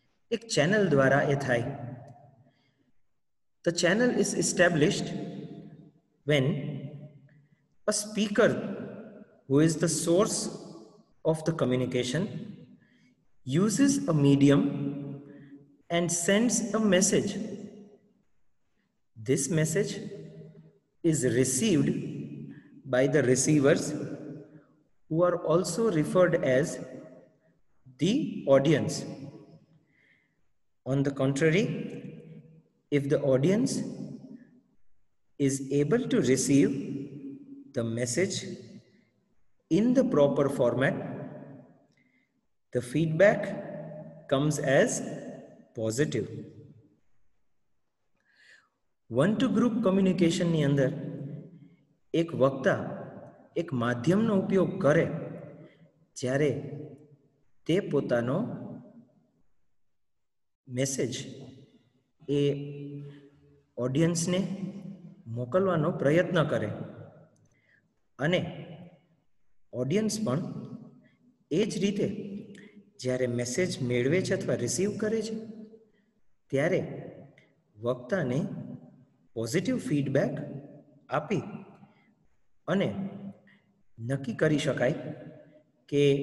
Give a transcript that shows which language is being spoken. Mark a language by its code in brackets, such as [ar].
[gu] એક ચેનલ દ્વારા એ થાય. [en] The channel is established when a speaker who is the source of the communication uses a medium and sends a message. This message is received by the receivers, who are also referred as the audience. On the contrary, if the audience is able to receive the message in the proper format, the feedback comes as positive. [gu] One two group કોમ્યુનિકેશનની અંદર એક વક્તા એક માધ્યમનો ઉપયોગ કરે જ્યારે તે પોતાનો મેસેજ એ ઓડિયન્સને મોકલવાનો પ્રયત્ન કરે અને ઓડિયન્સ પણ એ જ રીતે જ્યારે મેસેજ મેળવે છે અથવા રિસીવ કરે છે ત્યારે વક્તાને પોઝિટિવ ફીડબેક આપી અને નક્કી કરી શકાય કે